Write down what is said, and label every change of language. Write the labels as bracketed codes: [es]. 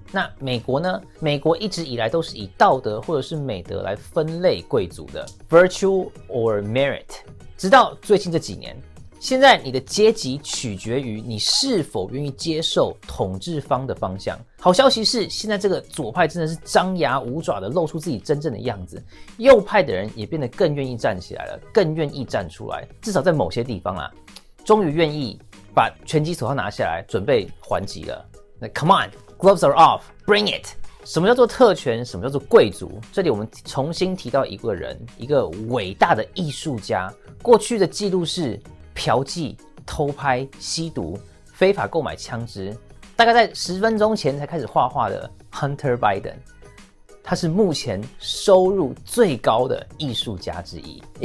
[zh] 那美国呢，美国一直以来都是以道德或者是美德来分类贵族的 [en] virtue or merit， [zh] 直到最近这几年，现在你的阶级取决于你是否愿意接受统治方的方向。好消息是，现在这个左派真的是张牙舞爪的露出自己真正的样子，右派的人也变得更愿意站起来了，更愿意站出来，至少在某些地方啊，终于愿意把拳击手套拿下来准备还击了。 [en] 那 Come on, gloves are off, bring it! [zh] 什么叫做特权？什么叫做贵族？这里我们重新提到一个人，一个伟大的艺术家，过去的记录是嫖妓、偷拍、吸毒、非法购买枪支，大概在十分钟前才开始画画的 Hunter Biden， 他是目前收入最高的艺术家之一。